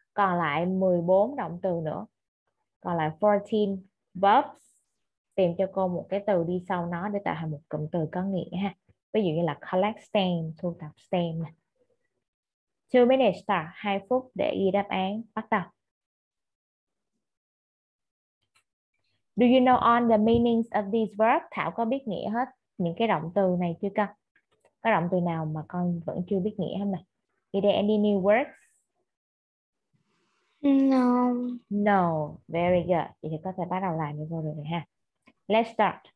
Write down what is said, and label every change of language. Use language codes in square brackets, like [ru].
[vi] Còn lại 14 động từ nữa. Còn lại 14 verbs. Tìm cho cô một cái từ đi sau nó để tạo thành một cụm từ có nghĩa ha. Ví dụ như là [en] collect stamp, [vi] thu thập stamp. [en] 2 minutes start, [vi] 2 phút để ghi đáp án, bắt đầu. [en] Do you know all the meanings of these verbs? [vi] Thảo có biết nghĩa hết những cái động từ này chưa con? Có động từ nào mà con vẫn chưa biết nghĩa không nè? [en] Is there any new words? No. No, very good. [vi] Vậy thì có thể bắt đầu lại với cô rồi ha. [en] Let's start.